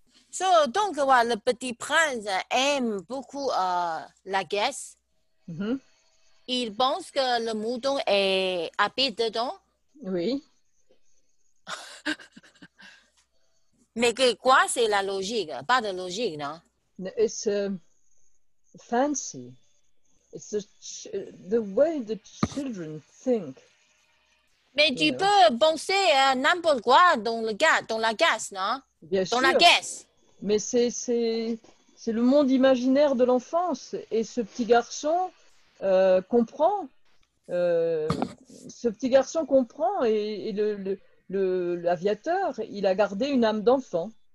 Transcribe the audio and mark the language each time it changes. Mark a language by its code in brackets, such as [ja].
[fr] So, donc, ouais, le petit prince aime beaucoup la graisse. Il pense que le mouton est habite dedans. Oui. Mais que quoi, c'est la logique? Pas de logique, non? [en] It's fancy. It's the way the children think. [fr] Mais tu peux penser à n'importe quoi dans le gaz, dans la gaze, non? Bien dans sûr. La gaze. Mais c'est le monde imaginaire de l'enfance. Et ce petit garçon comprend. Ce petit garçon comprend et l'aviateur, il a gardé une âme d'enfant.